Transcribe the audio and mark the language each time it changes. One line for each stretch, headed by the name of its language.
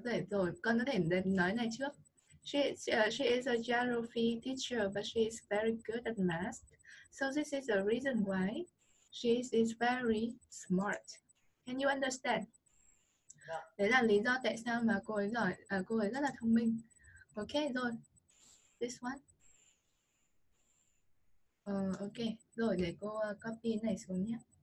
Vietnamese: Rồi, con có thể nói này trước.
English: She is a geography teacher, but she is very good at math. So this is the reason why she is very smart. Can you understand?
Vietnamese: Đấy là lý do tại sao mà cô ấy giỏi, cô ấy rất là thông minh. Okay, rồi.
English: This one.
Vietnamese: Okay, rồi để cô copy này xuống nhé.